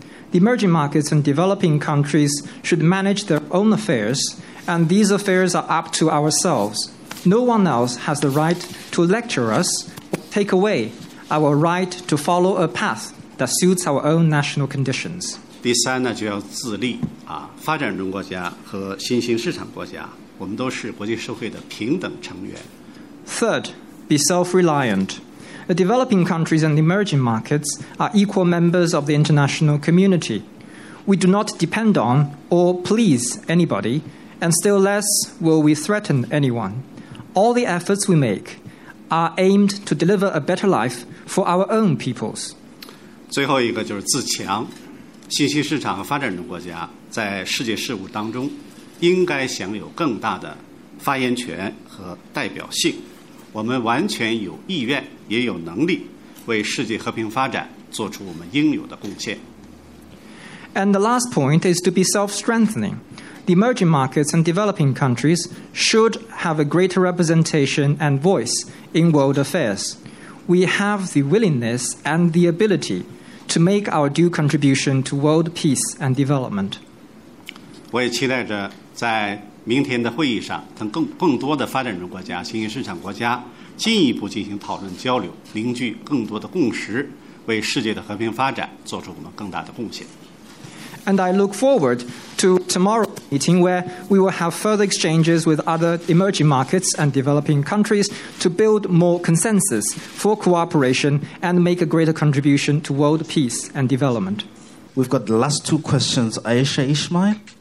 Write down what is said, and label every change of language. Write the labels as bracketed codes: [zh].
[en] The emerging markets and developing countries should manage their own affairs, and these affairs are up to ourselves. No one else has the right to lecture us or take away our right to follow a path that suits our own national conditions. [zh] 第三呢，就要自立啊！发展中国家和新兴市场国家，我们都是国际社会的平等成员。 [en] Third, be self-reliant. The developing countries and emerging markets are equal members of the international community. We do not depend on or please anybody, and still less will we threaten anyone. All the efforts we make are aimed to deliver a better life for our own peoples. [zh] 最后一个就是自强。信息市场和发展中国家在世界事务当中应该享有更大的发言权和代表性。 [en] And the last point is to be self-strengthening. The emerging markets and developing countries should have a greater representation and voice in world affairs. We have the willingness and the ability to make our due contribution to world peace and development. [zh] 我也期待着在明天的会议上，跟更多的发展中国家、新兴市场国家。进一步进行讨论交流，凝聚更多的共识，为世界的和平发展做出我们更大的贡献。 [en] And I look forward to tomorrow's meeting where we will have further exchanges with other emerging markets and developing countries to build more consensus for cooperation and make a greater contribution to world peace and development. We've got the last two questions. Aisha Ismail.